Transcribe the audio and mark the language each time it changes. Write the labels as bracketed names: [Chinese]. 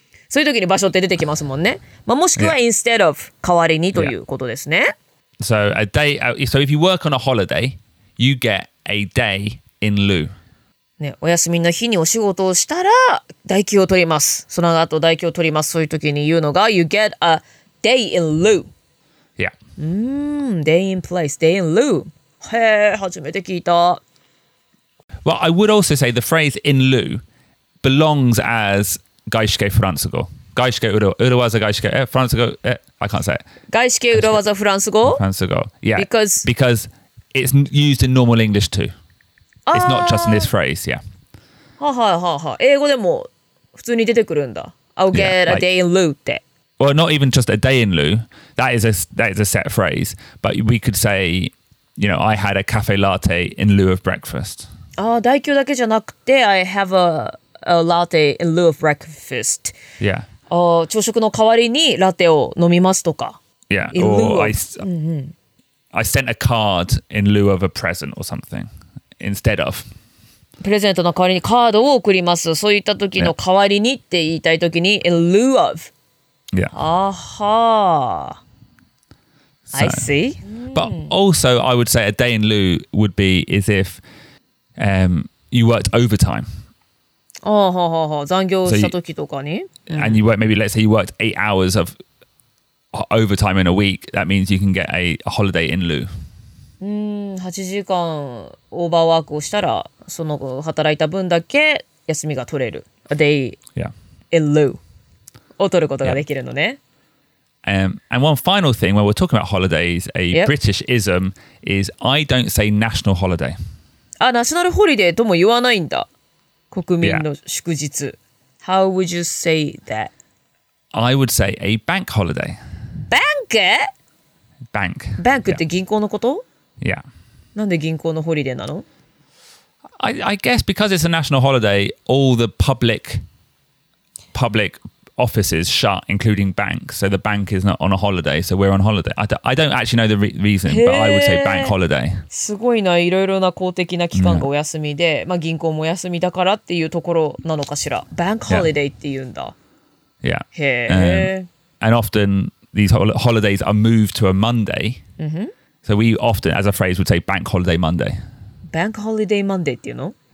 [Japanese] そういう時に場所って出てきますもんね。まあ、もしくは [English] instead of [Japanese] 代わりにということですね。 [English] Yeah. So a day, so if you work on a holiday, you get a day in lieu. [Japanese] ね、お休みの日にお仕事をしたら代休を取ります。その後代休を取ります。そういう時に言うのが [English] you get a day in lieu. Yeah. Day in place, day in lieu. [Japanese] へえ、初めて聞いた。 [English] Well, I would also say the phrase in lieu belongs as [Japanese] 外資系フランス語。外資系ウロワザ外資系え、フランス語え、 [English] I can't say it. [Japanese] 外資系ウロワザフランス語フランス語。 [English] Yeah. Because it's used in normal English too. It's not just in this phrase, yeah. はははは。 [Japanese] 英語でも普通に出てくるんだ。 [English] I'll get a day in lieu [Japanese] って。 [English] Well, not even just a day in lieu. That is a set phrase. But we could say, you know, I had a cafe latte in lieu of breakfast. [Japanese] ああ、代休だけじゃなくて、 [English] I have a latte in lieu of breakfast. Yeah. [Japanese] 朝食の代わりにラテを飲みますとか。 [English] Yeah. In lieu of. I sent a card in lieu of a present or something. Instead of. [Japanese] プレゼントの代わりにカードを送ります。そういった時の代わりにって言いたい時に、 [English] in lieu of. Yeah. Aha. I see. But also, I would say a day in lieu would be as if you worked overtime. [Japanese] ああはあはあ、残業した時とかに、 [English] and you work maybe let's say you worked 8 hours of overtime in a week. That means you can get a holiday in lieu. [Japanese] 8時間オーバーワークをしたら、その働いた分だけ休みが取れる。 [English] A day in lieu [Japanese] を取ることができるのね。 [English] And one final thing, when we're talking about holidays, a British ism is I don't say national holiday. [Japanese] あ、ナショナルホリデーとも言わないんだ。国民の祝日。 [English] Yeah. How would you say that? I would say a bank holiday. Bank? Bank. [Japanese] Bank って銀行のこと? [English] Yeah. [Japanese] なんで銀行のホリデーなの? [English] I guess because it's a national holiday, all the public offices shut, including banks. So the bank is not on a holiday, so we're on holiday. I don't actually know the reason, but I would say bank holiday. [Japanese] すごいな、いろいろな公的な機関がお休みで、まあ銀行もお休みだからっていうところなのかしら。 [English] Bank holiday [Japanese] っていうんだ。 [English] Yeah. [Japanese] へえ。 [English] And often these holidays are moved to a Monday. So we often, as a phrase, would say bank holiday Monday. Bank holiday Monday [Japanese] っていうの?